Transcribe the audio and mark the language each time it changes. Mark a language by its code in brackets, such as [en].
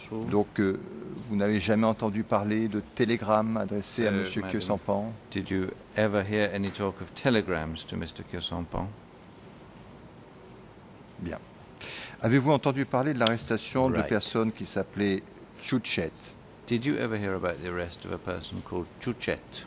[fr] Donc, vous n'avez jamais entendu parler de télégramme adressé à M. Khieu Samphan? [en] Did you ever hear any talk of telegrams to Mr. Khieu Samphan? [fr] Bien. Avez-vous entendu parler de l'arrestation de personnes qui s'appelaient Chuchet? [en] Did you ever hear about the arrest of a person called Chuchet?